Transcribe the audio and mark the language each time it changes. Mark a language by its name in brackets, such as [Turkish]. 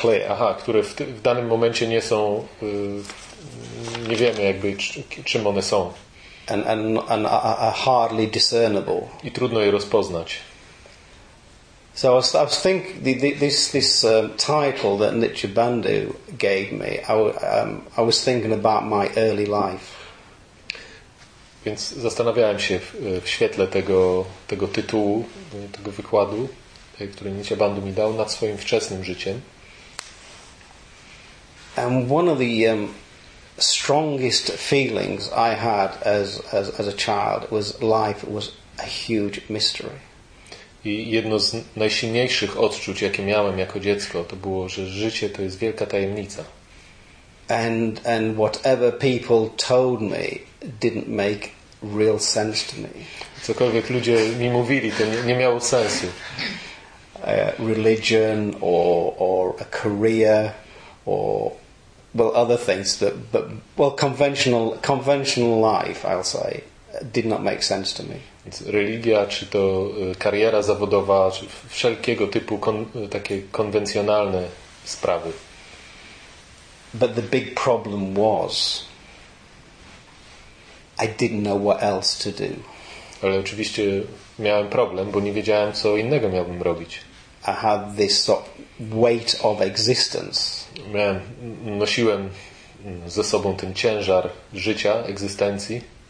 [Polish] Aha, które w danym momencie nie są, nie wiemy jakby czym one są. [English] And are hardly discernible. [Polish] I trudno je rozpoznać. [English] So I was thinking this title that Nietzsche Bandhu gave me. I was thinking about my early life. [Polish] Więc zastanawiałem się w świetle tego tytułu, tego wykładu, który Nietzsche Bandhu mi dał, nad swoim wczesnym życiem. [English] And one of the strongest feelings I had as a child was life was a huge mystery. [Polish] I jedno z najsilniejszych odczuć, jakie miałem jako dziecko, to było, że życie to jest wielka tajemnica. [English] And whatever people told me didn't make real sense to me. [Polish] Cokolwiek ludzie mi mówili, to nie miało sensu. [English] Religion or a career or well other things that but well conventional life, I'll say, did not make sense to me. [Polish] Religia, czy to kariera zawodowa, czy wszelkiego typu takie konwencjonalne sprawy. [English] But the big problem was I didn't know what else to do. [Polish] Ale oczywiście miałem problem, bo nie wiedziałem, co innego miałbym robić. [English] I had this sort of weight of existence. [Polish] Nosiłem ze sobą ten ciężar życia, egzystencji.